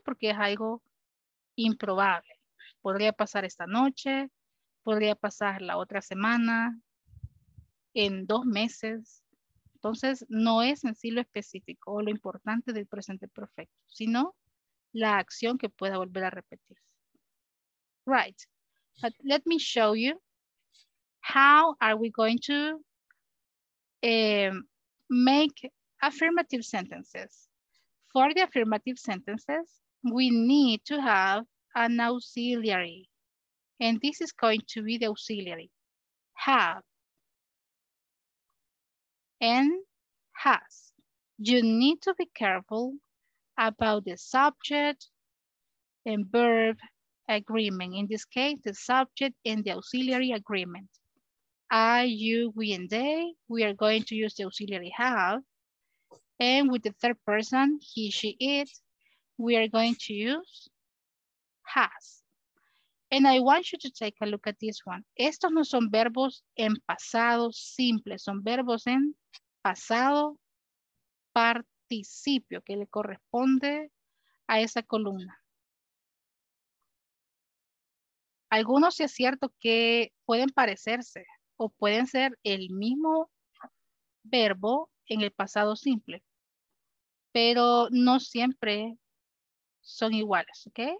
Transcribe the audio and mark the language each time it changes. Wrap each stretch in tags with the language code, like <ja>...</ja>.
<es>Porque es algo improbable. Podría pasar esta noche, podría pasar la otra semana, en dos meses. Entonces, no es en sí lo específico o lo importante del presente perfecto, sino la acción que pueda volver a repetir.</es> <en>Right. But let me show you how are we going to make affirmative sentences. For the affirmative sentences, we need to have an auxiliary. And this is going to be the auxiliary. Have. And has. you need to be careful about the subject and verb agreement. In this case, the subject and the auxiliary agreement. I, you, we, and they, we are going to use the auxiliary have. And with the third person, he, she, it, we are going to use has. And I want you to take a look at this one.</en> <es>Estos no son verbos en pasado simple, son verbos en pasado participio, que le corresponde a esa columna. Algunos sí es cierto que pueden parecerse o pueden ser el mismo verbo en el pasado simple, pero no siempre son iguales, ¿ok?</es>